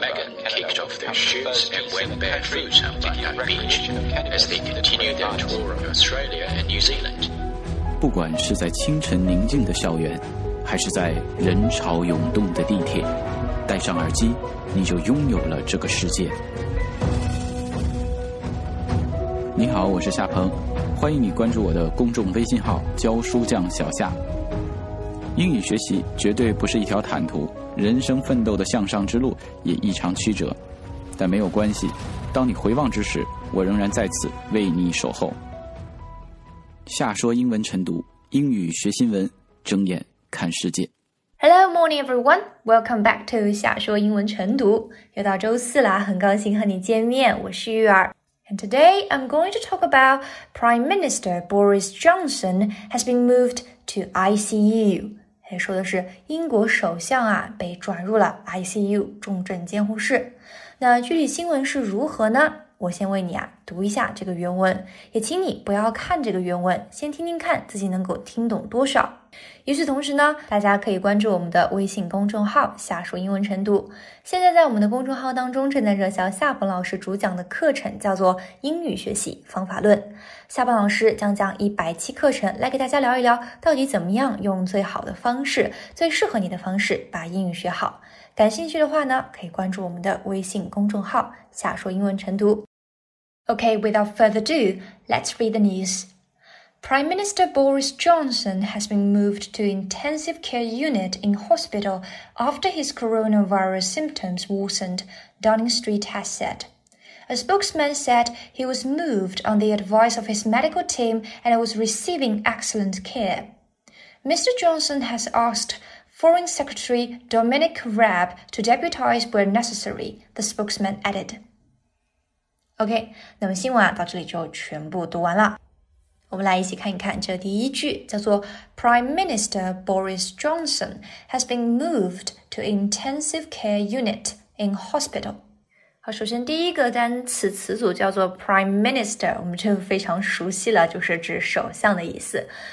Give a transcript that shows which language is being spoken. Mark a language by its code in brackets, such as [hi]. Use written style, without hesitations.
[en] Megan kicked off their shoots and went barefoot on Bondi Beach as they continued their tour of Australia and New Zealand. [zh] 不管是在清晨宁静的校园，还是在人潮涌动的地铁，戴上耳机，你就拥有了这个世界。你好，我是夏鹏，欢迎你关注我的公众微信号教书匠小夏。英语学习绝对不是一条坦途，人生奋斗的向上之路也异常曲折，但没有关系，当你回望之时，我仍然在此为你守候。夏说英文晨读，英语学新闻，睁眼看世界。 [en] Hello, morning everyone. Welcome back to 夏说英文晨读。 [zh] 又到周四了，很高兴和你见面，我是玉儿。 [en] And today, I'm going to talk about Prime Minister Boris Johnson has been moved to ICU. [zh] 说的是英国首相啊，被转入了 ICU, 重症监护室。那具体新闻是如何呢？我先为你啊读一下这个原文，也请你不要看这个原文，先听听看自己能够听懂多少。与此同时呢，大家可以关注我们的微信公众号夏说英文晨读。现在在我们的公众号当中正在热销夏鹏老师主讲的课程，叫做英语学习方法论。夏鹏老师将讲100期课程，来给大家聊一聊到底怎么样用最好的方式，最适合你的方式把英语学好。感兴趣的话呢，可以关注我们的微信公众号夏说英文晨读。 [en] Okay, without further ado, let's read the news. Prime Minister Boris Johnson has been moved to intensive care unit in hospital after his coronavirus symptoms worsened, Downing Street has said. A spokesman said he was moved on the advice of his medical team and was receiving excellent care. Mr. Johnson has asked Foreign Secretary Dominic Raab to deputize where necessary, the spokesman added. [zh] OK, 那么新闻啊到这里就全部读完了。我们来一起看一看这第一句，叫做 [en] Prime Minister Boris Johnson has been moved to intensive care unit in hospital. [zh] 好，首先第一个单词词组叫做 Prime Minister, 我们就非常熟悉了，就是指首相的意思。